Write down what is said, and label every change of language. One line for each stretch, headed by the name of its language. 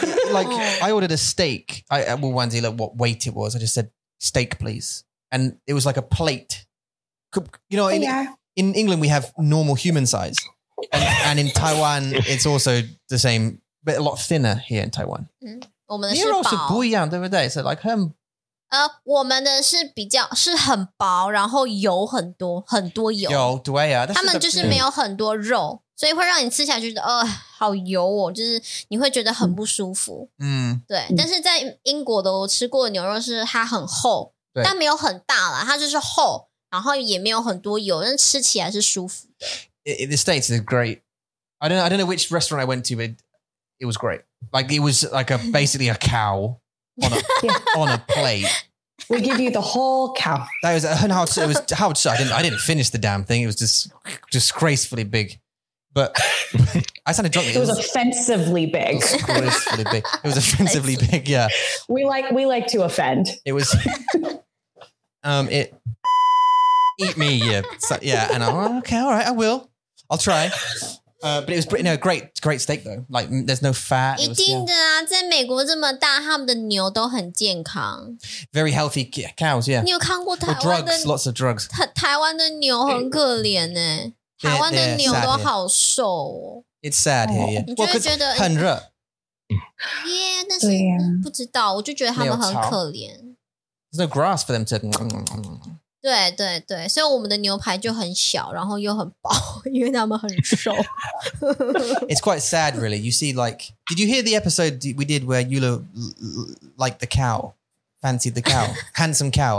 English: Like, I ordered a steak. I wanted to look what weight it was. I just said, steak, please. And it was like a plate. You know, in England, we have normal human size. And in Taiwan, it's also the same, but a lot thinner here in Taiwan.
Chinese: 我们的是薄。
English: You're also
Chinese: 不一样，对不对？
English: So like, 很
Chinese: 我们的是比较是很薄，然后油很多，很多油。有对啊，他们就是没有很多肉，所以会让你吃起来觉得好油哦，就是你会觉得很不舒服。嗯，对。但是在英国的我吃过的牛肉是它很厚，但没有很大啦，它就是厚，然后也没有很多油，但吃起来是舒服的。
English: The States is great. I don't know which restaurant I went to, but it was great. Like it was like basically a cow. On a plate. We give you the whole cow. That was
Chinese: 很好吃,
English: it was 好吃, I didn't finish the damn thing. It was just disgracefully big. But I sounded drunk. It was offensively big. Disgracefully big. It was offensively big, yeah. We like to offend. It was... it... Eat me, yeah. So, yeah, and I'm like, okay, all right, I will. I'll try. But it was pretty, no, great steak though. Like, there's no fat.
Chinese: 一定的啊，在美国这么大，他们的牛都很健康。
English: Very healthy cows, yeah.
Chinese: 你有看过台湾的
English: drugs, lots of drugs.
Chinese: 台湾的牛很可怜耶。台湾的牛都好瘦哦。
English: It's sad here, yeah.
Chinese: 你就会觉得很热。 Yeah, 但是不知道，我就觉得他们很可怜。
English: There's no grass for them to...
Chinese: 对对对，所以我们的牛排就很小，然后又很薄，因为他们很瘦。
English: It's quite sad, really. You see, like, did you hear the episode we did where Yula liked the cow, fancied the cow, handsome cow?